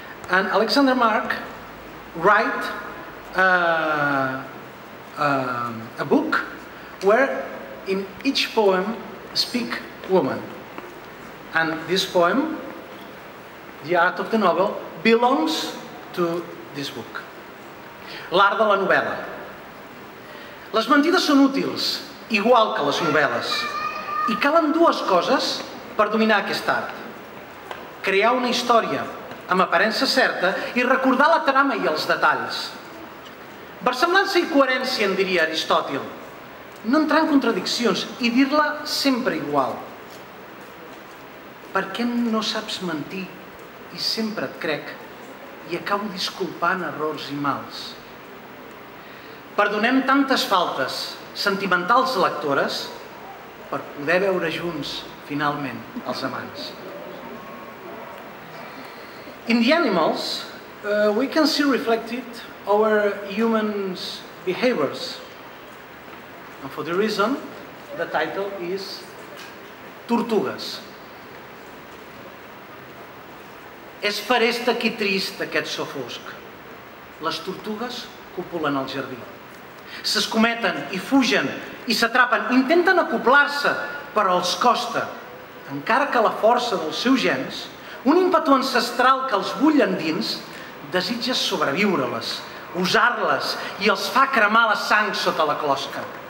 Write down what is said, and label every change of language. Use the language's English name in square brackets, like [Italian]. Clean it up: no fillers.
[English] And Alexander Mark write a book where in each poem speak woman. And this poem, The Art of the Novel, belongs to this book. [Catalan] L'art de la novel·la. Les mentides són útils, igual que les novel·les, i calen dues coses per dominar aquest art. Crear una història amb aparença certa i recordar la trama i els detalls. Versemblança i coherència, en diria Aristòtil. No entrar en contradiccions i dir-la sempre igual. Per què no saps mentir i sempre et crec i acabo disculpant errors i mals? Perdonem tantes faltes sentimentals lectores per poder veure junts, finalment, els amants. [English] In the animals, we can see reflected our humans' behaviors. And for the reason, the title is Tortugues. [Catalan] És feresta qui trist aquest so fosc. Les tortugues copulen el jardí. S'escometen i fugen i s'atrapen, intenten acoplar-se, però els costa, encara que la força dels seus gens, un ímpetu ancestral que els bull endins, desitja sobreviure-les, usar-les i els fa cremar la sang sota la closca.